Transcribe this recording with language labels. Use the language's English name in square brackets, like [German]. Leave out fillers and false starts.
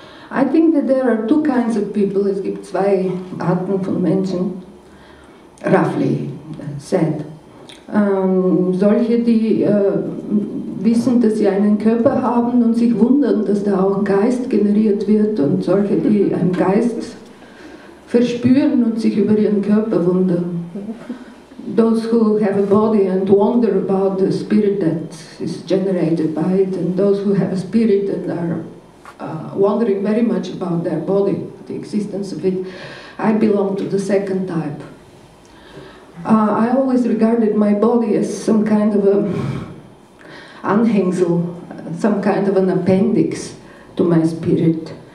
[English] I think that there are two kinds of people. [German] Es gibt zwei Arten von Menschen, [English] roughly said. [German] Solche, die wissen, dass sie einen Körper haben und sich wundern, dass da auch ein Geist generiert wird, und solche, die einen Geist verspüren und sich über ihren Körper wundern. [English] Those who have a body and wonder about the spirit that is generated by it, and those who have a spirit and are wondering very much about their body, the existence of it. I belong to the second type. I always regarded my body as some kind of a anhängsel, some kind of an appendix to my spirit.